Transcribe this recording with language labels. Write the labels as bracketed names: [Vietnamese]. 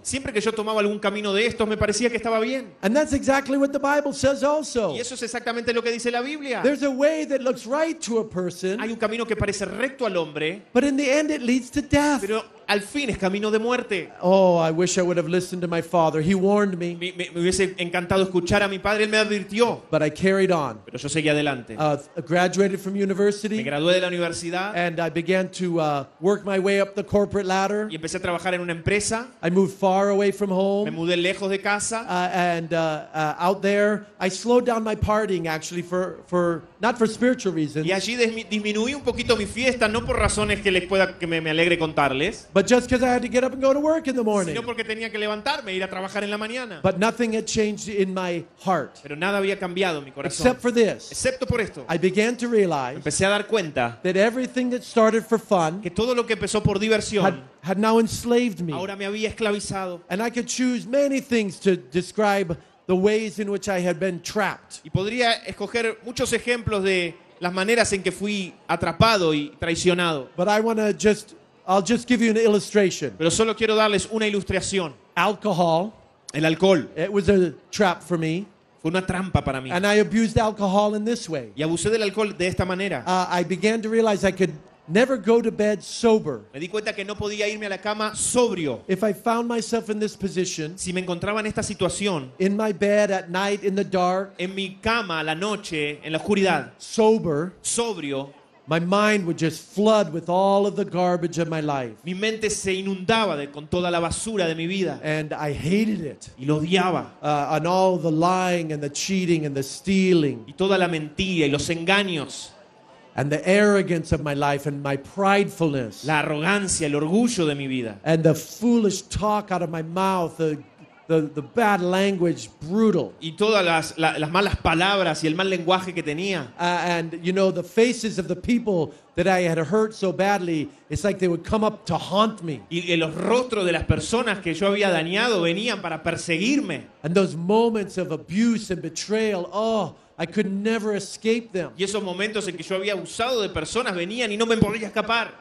[Spanish] Siempre que yo tomaba algún camino de estos, me parecía que estaba bien. [English] And that's exactly what the Bible says also. [Spanish] Y eso es exactamente lo que dice la Biblia. [English] There's a way that looks right to a person. [Spanish] Hay un camino que parece recto al hombre. [English] But in the end, it leads to death. [Spanish] Pero al fin es camino de muerte. [English] Oh, I wish I would have listened to my father. He warned me. [Spanish] Me hubiese encantado escuchar a mi padre. Él me advirtió. [English] But I carried on. [Spanish] Pero yo seguí adelante. [English] Graduated from university. [Spanish] Me gradué de la universidad. [English] And I began to work my way up the corporate ladder. [Spanish] Y empecé a trabajar en una empresa. [English] I moved far away from home. [Spanish] Me mudé lejos de casa. [English] And out there, I slowed down my partying actually for not for spiritual reasons. [Spanish] Y allí disminuí un poquito mi fiesta, no por razones que les pueda que me alegre contarles. [English] But just because I had to get up and go to work in the morning. [Spanish] Sino porque tenía que levantarme e ir a trabajar en la mañana. [English] But nothing had changed in my heart. [Spanish] Pero nada había cambiado en mi corazón. [English] Except for this. [Spanish] Excepto por esto. [English] I began to realize. [Spanish] Empecé a dar cuenta. [English] That everything that started for fun. [Spanish] Que todo lo que empezó por diversión. [English] Had now enslaved me. [Spanish] Ahora me había esclavizado. [English] And I could choose many things to describe the ways in which I had been trapped. [Spanish] Y podría escoger muchos ejemplos de las maneras en que fui atrapado y traicionado. [English] But I want to just... I'll just give you an illustration. [Spanish] Pero solo quiero darles una ilustración. [English] Alcohol. [Spanish] El alcohol. [English] It was a trap for me. [Spanish] Fue una trampa para mí. [English] And I abused alcohol in this way. [Spanish] Y abusé del alcohol de esta manera. [English] I began to realize I could never go to bed sober. [Spanish] Me di cuenta que no podía irme a la cama sobrio. [English] If I found myself in this position, [Spanish] si me encontraba en esta situación, [English] in my bed at night in the dark, [Spanish] en mi cama a la noche en la oscuridad, [English] sober, [Spanish] sobrio, [English] my mind would just flood with all of the garbage of my life. [Spanish] Mi mente se inundaba con toda la basura de mi vida. [English] And I hated it. [Spanish] Y lo odiaba. [English] And all the lying and the cheating and the stealing. [Spanish] Y toda la mentira y los engaños. [English] And the arrogance of my life and my pridefulness. [Spanish] La arrogancia, el orgullo de mi vida. [English] And the foolish talk out of my mouth, the bad language, brutal. [Spanish] Y todas las malas palabras y el mal lenguaje que tenía. [English] And you know, the faces of the people that I had hurt so badly, it's like they would come up to haunt me. [Spanish] Y los rostros de las personas que yo había dañado venían para perseguirme. [English] And those moments of abuse and betrayal, oh, I could never escape them. [Spanish] Y esos momentos en que yo había abusado de personas venían y no me podía escapar.